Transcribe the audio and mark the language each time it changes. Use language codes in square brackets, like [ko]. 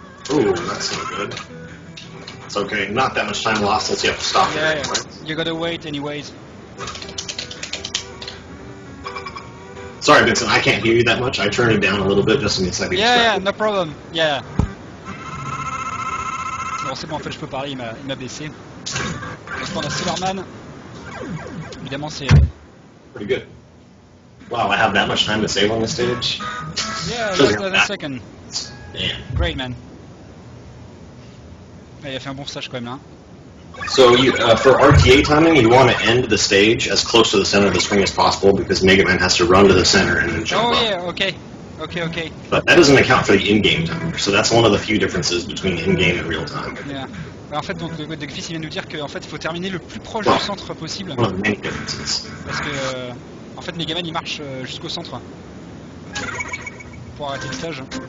[en] Not that much time lost since you have to stop. Yeah, yeah. You gotta wait anyways. Sorry, Vincent, I can't hear you that much. I turned it down a little bit just in case I can distracted. Yeah, no problem. Yeah. [fr] Bon, c'est bon, en fait, je peux parler, il m'a baissé. Parce qu'on a Silverman. Évidemment, c'est... [en] Pretty good. Wow, I have that much time to save on the stage? Yeah, just a second. Damn. Great, man. [fr] Il a fait un bon stage quand même là. [en] So you, for RTA timing, you want to end the stage as close to the center of the screen as possible because Mega Man has to run to the center and then jump oh, up. Oh yeah, okay. But that doesn't account for the in-game timer, so that's one of the few differences between in-game and real-time. Yeah. [fr] Alors, en fait, donc Duckfist vient de nous dire qu'en fait, il faut terminer le plus proche du centre possible. [en] One of the many differences. [fr] Parce que, en fait, Mega Man il marche jusqu'au centre pour arrêter le stage.